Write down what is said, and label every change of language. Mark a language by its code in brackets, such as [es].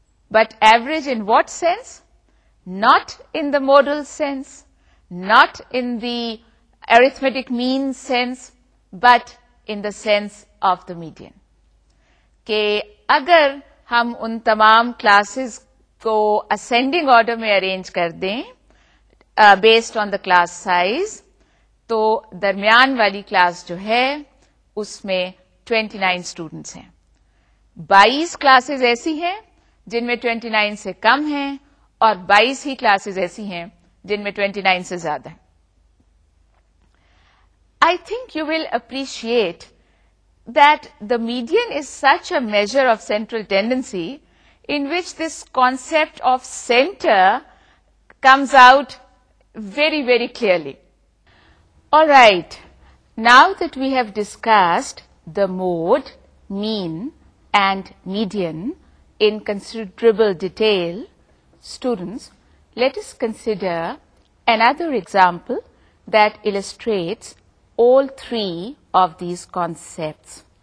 [en] But average in what sense? Not in the modal sense, not in the arithmetic mean sense, but in the sense of the median. [ur] کہ اگر ہم ان تمام classes کو ascending order میں arrange کر دیں [en] based on the class size, [ur] تو درمیان والی کلاس جو ہے اس میں 29 اسٹوڈنٹس ہیں. 22 کلاسز ایسی ہیں جن میں 29 سے کم ہیں, اور 22 ہی کلاسز ایسی ہیں جن میں 29 سے زیادہ ہیں. [en] I think you will appreciate that the median is such a measure of central tendency in which this concept of center comes out very very clearly. All right, now that we have discussed the mode, mean, and median in considerable detail, students, let us consider another example that illustrates all three of these concepts.